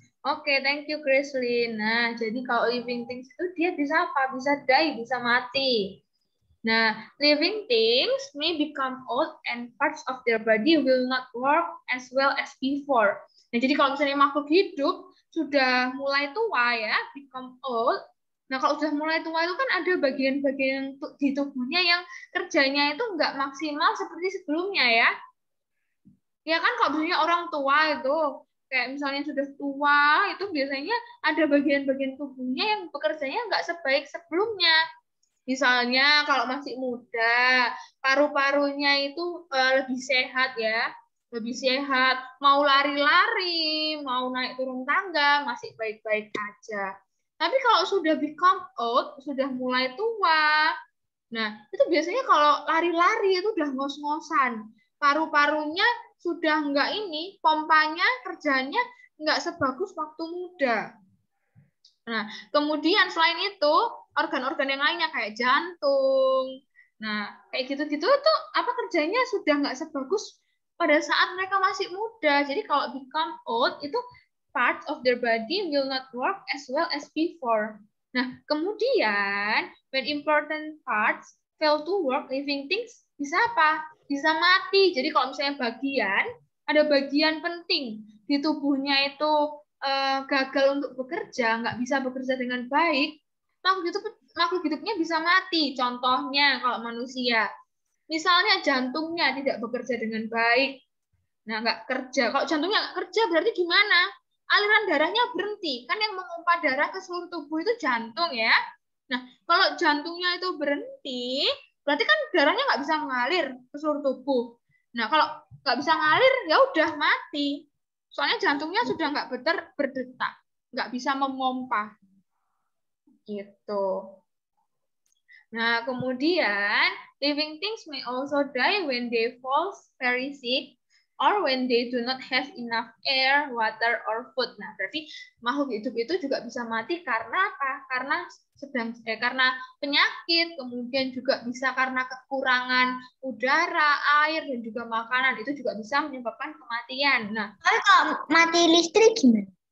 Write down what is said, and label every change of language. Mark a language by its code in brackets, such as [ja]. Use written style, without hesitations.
[en] Okay, thank you, [id] Gracelyn. Nah, jadi kalau living things itu dia bisa apa? Bisa [en] die, [id] bisa mati. [en] Nah, living things may become old and parts of their body will not work as well as before. [id] Nah, jadi kalau misalnya makhluk hidup sudah mulai tua ya, [en] become old. [id] Nah, kalau sudah mulai tua itu kan ada bagian-bagian di tubuhnya yang kerjanya itu nggak maksimal seperti sebelumnya ya. Ya kan, kalau misalnya orang tua itu, kayak misalnya sudah tua, itu biasanya ada bagian-bagian tubuhnya yang bekerjanya nggak sebaik sebelumnya. Misalnya kalau masih muda, paru-parunya itu lebih sehat ya. Lebih sehat, mau lari-lari, mau naik turun tangga, masih baik-baik aja. Tapi kalau sudah [en] become old, [id] sudah mulai tua, nah itu biasanya kalau lari-lari itu udah ngos-ngosan. Paru-parunya sudah nggak ini, pompanya kerjanya nggak sebagus waktu muda. Nah, kemudian selain itu, organ-organ yang lainnya kayak jantung, nah kayak gitu-gitu itu apa kerjanya sudah nggak sebagus pada saat mereka masih muda. Jadi kalau [en] become old [id] itu [en] parts of their body will not work as well as before. [id] Nah, kemudian [en] when important parts fail to work, living things [id] bisa apa? Bisa mati. Jadi kalau misalnya bagian, ada bagian penting di tubuhnya itu gagal untuk bekerja, nggak bisa bekerja dengan baik, makhluk hidupnya bisa mati. Contohnya kalau manusia, misalnya jantungnya tidak bekerja dengan baik, nah nggak kerja. Kalau jantungnya nggak kerja berarti gimana? Aliran darahnya berhenti. Kan yang memompa darah ke seluruh tubuh itu jantung ya. Nah, kalau jantungnya itu berhenti, berarti kan darahnya nggak bisa ngalir ke seluruh tubuh. Nah, kalau nggak bisa ngalir, ya udah mati. Soalnya jantungnya sudah nggak berdetak. Nggak bisa memompa. Gitu. [en] Nah, kemudian, living things may also die when they fall very sick or when they do not have enough air, water, or food. [id] Nah, berarti makhluk hidup itu juga bisa mati karena apa? Karena penyakit, kemudian juga bisa karena kekurangan udara, air, dan juga makanan. Itu juga bisa menyebabkan kematian. Nah, kalau mati listrik gimana?